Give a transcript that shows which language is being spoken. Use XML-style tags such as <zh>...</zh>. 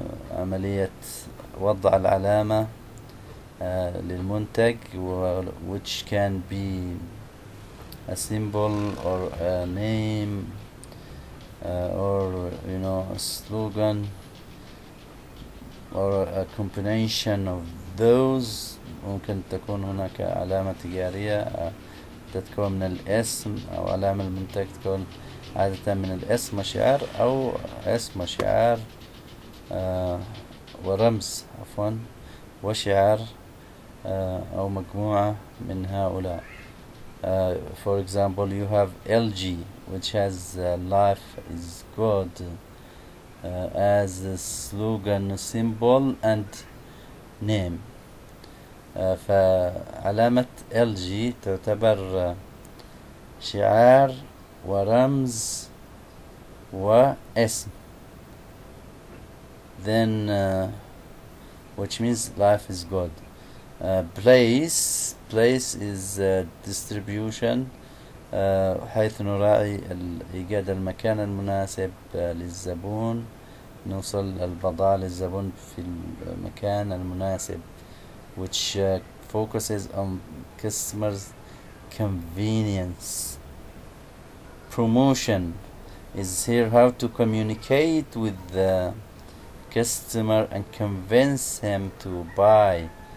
<ar>عملية وضع العلامة للمنتج</ar> <en>which can be a symbol or a name or you know a slogan or a combination of those.</en> <ar>ممكن تكون هناك علامة تجارية تتكون من الاسم أو علامة المنتج تكون عادة من الاسم وشعار أو اسم وشعار ورمز عفوا وشعار أو مجموعة من هؤلاء.</ar> <en>For example, you have LG, which has life is good as a slogan, symbol, and name.</en> <ar>فعلامة LG تعتبر شعار ورمز واسم.</ar> <en>Then, which means life is good. Place is distribution.</en> <ar>حيث نراعي إيجاد المكان المناسب للزبون. نوصل البضاعة للزبون في المكان المناسب.</ar> <en>Which focuses on customers' convenience. Promotion is here how to communicate with the customer and convince him to buy.</en>